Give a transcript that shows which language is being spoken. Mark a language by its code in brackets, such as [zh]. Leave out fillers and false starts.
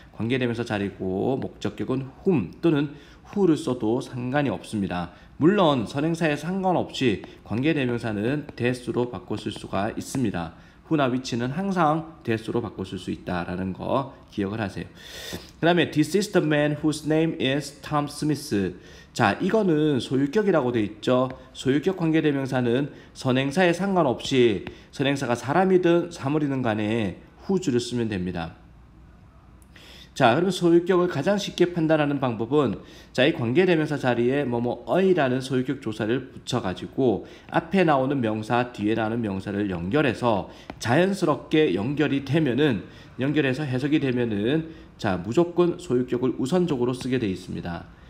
[ko] 관계대명사 자리고 목적격은 whom 또는 who를 써도 상관이 없습니다. 물론 선행사에 상관없이 관계대명사는 that로 바꿔 쓸 수가 있습니다. who나 which는 항상 this로 바꿔 쓸 수 있다라는 거 기억을 하세요. 그 다음에 [en] this is the man whose name is Tom Smith. [ko] 자, 이거는 소유격이라고 돼 있죠. 소유격 관계대명사는 선행사에 상관없이 선행사가 사람이든 사물이든 간에 who를 쓰면 됩니다. 자, 그러면 소유격을 가장 쉽게 판단하는 방법은 자, 이 관계대명사 자리에 뭐뭐의라는 소유격 조사를 붙여가지고 앞에 나오는 명사, 뒤에 나오는 명사를 연결해서 자연스럽게 연결이 되면은 연결해서 해석이 되면은 자, 무조건 소유격을 우선적으로 쓰게 돼 있습니다.